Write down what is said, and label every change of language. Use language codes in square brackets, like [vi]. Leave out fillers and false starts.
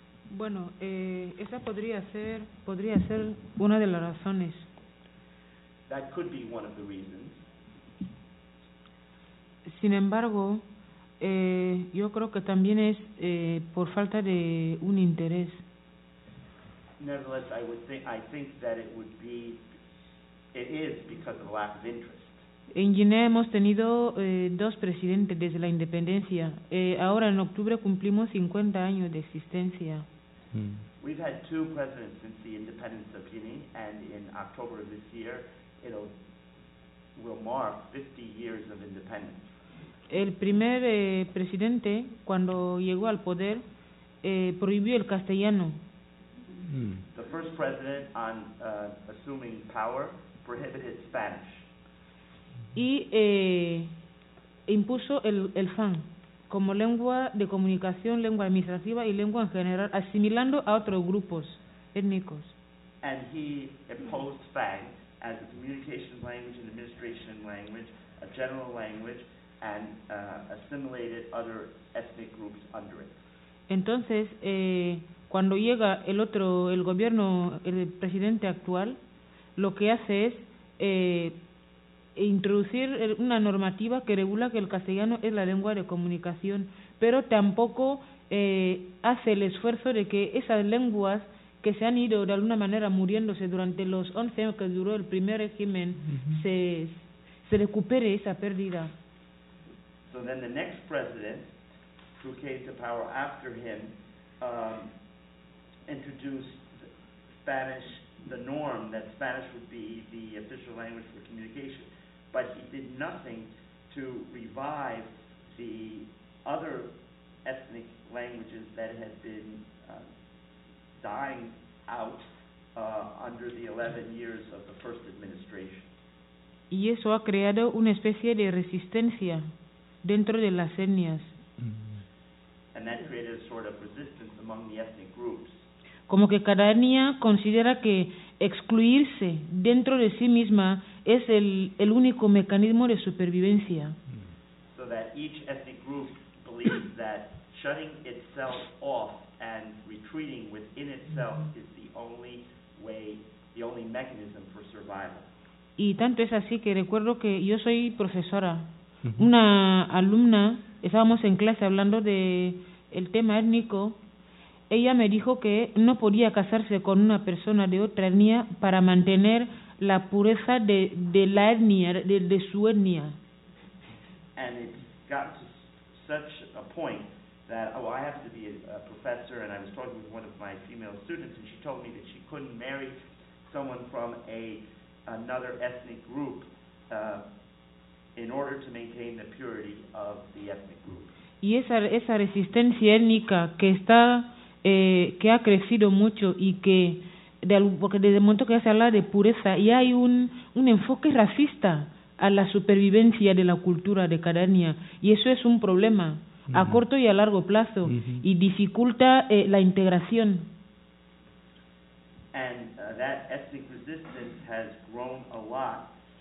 [es] Bueno, esa podría ser una de las razones. [en] That could be one of the reasons. [es] Sin embargo, yo creo que también es por falta de un interés. [en] Nevertheless, I think that it is because of a lack of interest. [es] En Guinea hemos tenido dos presidentes desde la independencia. Ahora en octubre cumplimos 50 años de existencia. Hmm. [en] We've had two presidents since the independence of Guinea, and in October of this year, will mark 50 years of independence. [es] El primer presidente, cuando llegó al poder, prohibió el castellano. [en] The first president, on assuming power, prohibited Spanish. [es] Y impuso el fang como lengua de comunicación, lengua administrativa y lengua en general, asimilando a otros grupos étnicos. [en] And he imposed fang as a communication language, an administration language, a general language, and assimilated other ethnic groups under it. [es] Entonces, cuando llega el otro, el gobierno, el presidente actual, lo que hace es introducir una normativa que regula que el castellano es la lengua de comunicación, pero tampoco hace el esfuerzo de que esas lenguas que se han ido de alguna manera muriéndose durante los 11 años que duró el primer régimen, se recupere esa pérdida. [en] So then the next president, who came to power after him, introduced Spanish, the norm that Spanish would be the official language for communication. But he did nothing to revive the other ethnic languages that had been dying out under the 11 years of the first administration. [es] Y eso ha creado una especie de resistencia dentro de las etnias. Mm-hmm. [en] And that created a sort of resistance among the ethnic groups. [es] Como que cada etnia considera que excluirse dentro de sí misma es el único mecanismo de supervivencia. [en] So that each ethnic group believes that shutting itself off and retreating within itself is the only way, the only mechanism for survival. [es] Y tanto es así que recuerdo que yo soy profesora. Una alumna, estábamos en clase hablando de el tema étnico, ella me dijo que no podía casarse con una persona de otra etnia para mantener la pureza de la etnia, de su etnia. [en] And it got to such a point that, oh, I have to be a professor, and I was talking with one of my female students, and she told me that she couldn't marry someone from another ethnic group in order to maintain the purity of the ethnic group. [es] Y esa resistencia étnica que está que ha crecido mucho y que porque desde el momento que ya se habla de pureza y hay un enfoque racista a la supervivencia de la cultura de cada etnia, y eso es un problema a corto y a largo plazo y dificulta la integración. [en] And that ethnic resistance has grown a lot.